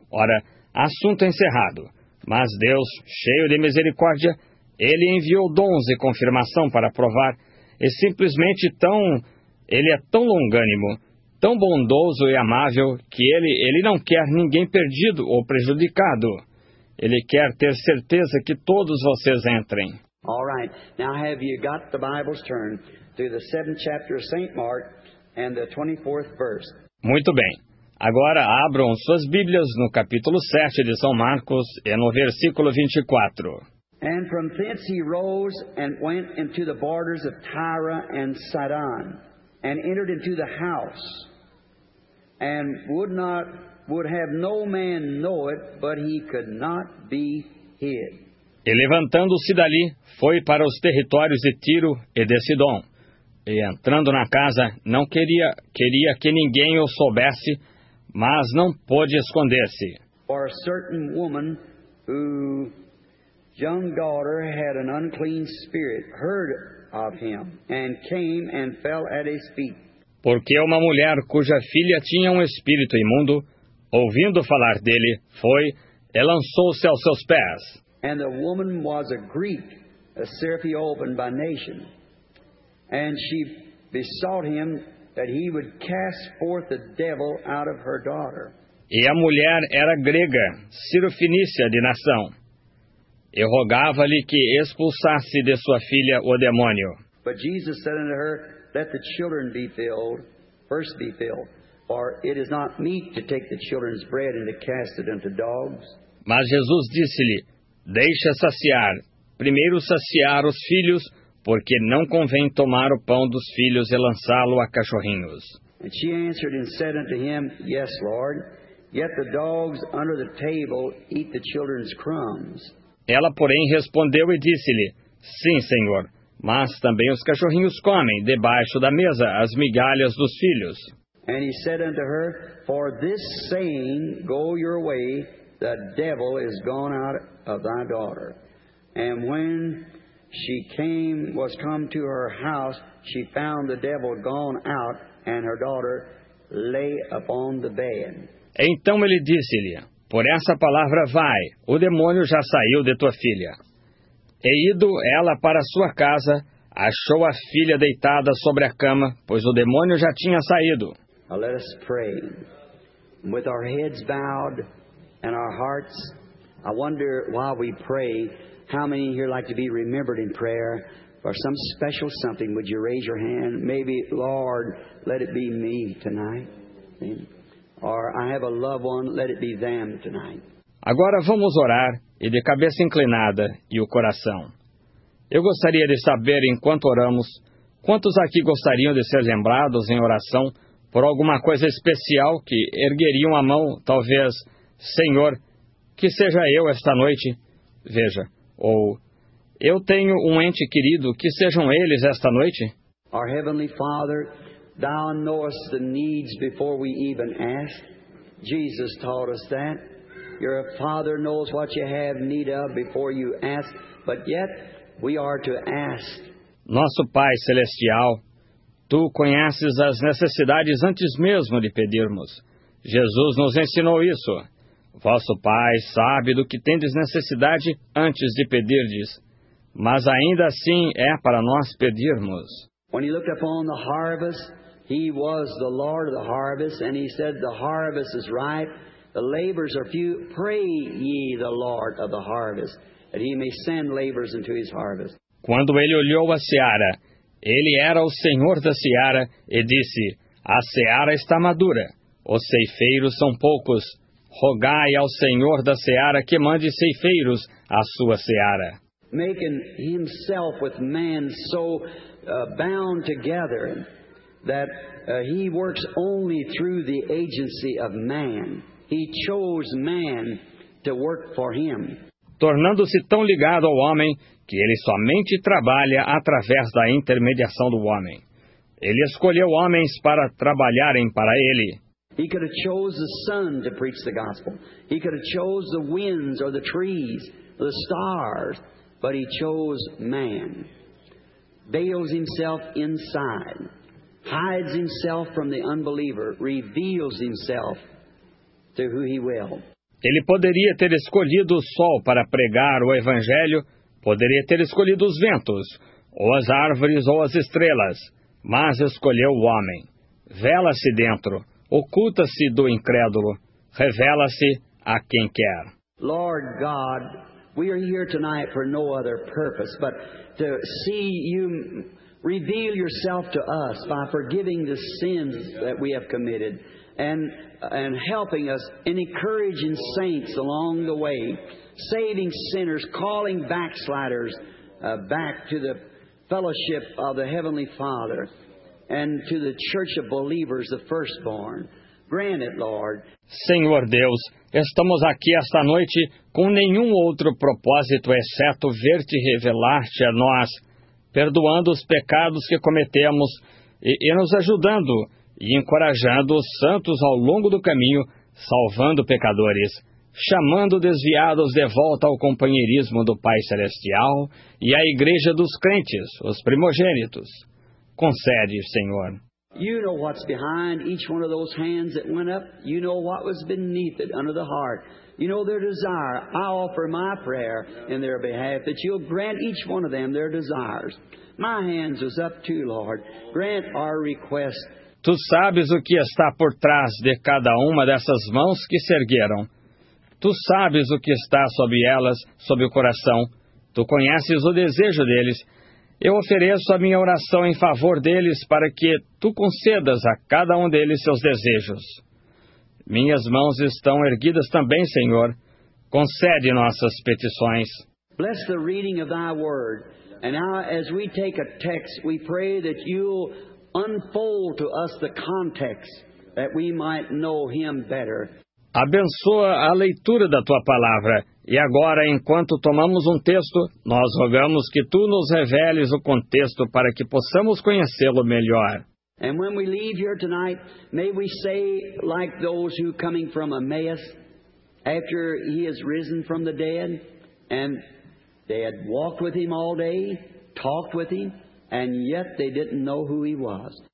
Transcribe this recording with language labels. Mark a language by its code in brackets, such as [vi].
[pt] Ora, assunto encerrado. Mas Deus, cheio de misericórdia, Ele enviou dons e confirmação para provar, e simplesmente tão... Ele é tão longânimo, tão bondoso e amável, que Ele não quer ninguém perdido ou prejudicado. Ele quer ter certeza que todos vocês entrem. [en] All right. Now have you got the Bible's turn to the 7th chapter of St. Mark and the 24th verse? [pt] Muito bem. Agora abram suas Bíblias no capítulo 7 de São Marcos e no versículo 24. [en] And from thence he rose and went into the borders of Tyre and Sidon, and entered into the house, and would have no man know it, but he could not be hid. [pt] E levantando-se dali, foi para os territórios de Tiro e de Sidom. E entrando na casa, não queria que ninguém o soubesse, mas não pôde esconder-se. [en] For a certain woman who young daughter had an unclean spirit heard of him and came and fell at his feet. [pt] Porque uma mulher cuja filha tinha um espírito imundo, ouvindo falar dele, foi e lançou-se aos seus pés. [en] And the woman was a Greek, a Syrophoenician by nation, and she besought him that he would cast forth the devil out of her daughter. [pt] E a mulher era grega, Sirofinícia de nação. E rogava-lhe que expulsasse de sua filha o demônio. [en] But Jesus said unto her, let the children be filled, first be filled, for it is not meet to take the children's bread and to cast it unto dogs. [pt] Mas Jesus disse-lhe, deixa saciar, primeiro saciar os filhos, porque não convém tomar o pão dos filhos e lançá-lo a cachorrinhos. [en] And she answered and said unto him, yes, Lord, yet the dogs under the table eat the children's crumbs. [pt] Ela, porém, respondeu e disse-lhe, sim, Senhor, mas também os cachorrinhos comem, debaixo da mesa, as migalhas dos filhos. [en] And he said unto her, for this saying, go your way, the devil is gone out of thy daughter. And when she came, was come to her house, she found the devil gone out, and her daughter lay upon the bed. [pt] Então ele disse-lhe, por essa palavra vai, o demônio já saiu de tua filha. E ido ela para sua casa, achou a filha deitada sobre a cama, pois o demônio já tinha saído. [en] Now let us pray. With our heads bowed and our hearts, I wonder while we pray, how many here like to be remembered in prayer for some special something? Would you raise your hand? Maybe, Lord, let it be me tonight. Amen. Or I have a loved one, let it be them tonight. [pt] Agora vamos orar, e de cabeça inclinada, e o coração. Eu gostaria de saber, enquanto oramos, quantos aqui gostariam de ser lembrados em oração por alguma coisa especial que ergueriam a mão, talvez, Senhor, que seja eu esta noite, veja, ou, eu tenho um ente querido, que sejam eles esta noite? [en] Our Heavenly Father, Thou knowest the needs before we even ask. Jesus taught us that. Your Father knows what you have need of before you ask. But yet, we are to ask. [pt] Nosso Pai Celestial, Tu conheces as necessidades antes mesmo de pedirmos. Jesus nos ensinou isso. Vosso Pai sabe do que tendes necessidade antes de pedirdes. Mas ainda assim é para nós pedirmos. [en] When He looked upon the harvest, He was the Lord of the harvest, and He said, the harvest is ripe, the laborers are few, pray ye the Lord of the harvest, that He may send laborers into His harvest. [pt] Quando Ele olhou a seara, Ele era o Senhor da seara, e disse, a seara está madura, os ceifeiros são poucos, rogai ao Senhor da seara que mande ceifeiros à sua seara. [en] Making Himself with man so bound together, that he works only through the agency of man. He chose man to work for him. [pt] Tornando-se tão ligado ao homem que ele somente trabalha através da intermediação do homem. Ele escolheu homens para trabalharem para ele. [en] He could have chose the sun to preach the gospel. He could have chose the winds or the trees, the stars, but he chose man. Veils himself inside, hides himself from the unbeliever, reveals himself to who he will. [pt] Ele poderia ter escolhido o sol para pregar o evangelho, poderia ter escolhido os ventos, ou as árvores ou as estrelas, mas escolheu o homem. Vela-se dentro, oculta-se do incrédulo, revela-se a quem quer. [en] Lord God, we are here tonight for no other purpose but to see you reveal yourself to us by forgiving the sins that we have committed and helping us and encouraging saints along the way, saving sinners, calling backsliders back to the fellowship of the Heavenly Father and to the church of believers, the firstborn. Grant it, Lord. [pt] Senhor Deus, estamos aqui esta noite com nenhum outro propósito exceto ver-te revelar-te a nós, perdoando os pecados que cometemos e nos ajudando e encorajando os santos ao longo do caminho, salvando pecadores, chamando desviados de volta ao companheirismo do Pai Celestial e à Igreja dos Crentes, os primogênitos. Concede, Senhor. [en] You know what's behind each one of those hands that went up. You know what was beneath it under the heart. You know their desire. I offer my prayer in their behalf that you'll grant each one of them their desires. My hands was up too, Lord. Grant our request. [pt] Tu sabes o que está por trás de cada uma dessas mãos que se ergueram. Tu sabes o que está sob elas, sob o coração. Tu conheces o desejo deles. Eu ofereço a minha oração em favor deles para que tu concedas a cada um deles seus desejos. Minhas mãos estão erguidas também, Senhor. Concede nossas petições. [en] Bless the reading of thy word. And now, as we take a text, we pray that you'll unfold to us the context that we might know him better. [pt] Abençoa a leitura da tua palavra. E agora, enquanto tomamos um texto, nós rogamos que tu nos reveles o contexto para que possamos conhecê-lo melhor. [en] And when we leave here tonight, may we say like those who coming from Emmaus, after he has risen from the dead, and they had walked with him all day, talked with him, and yet they didn't know who he was.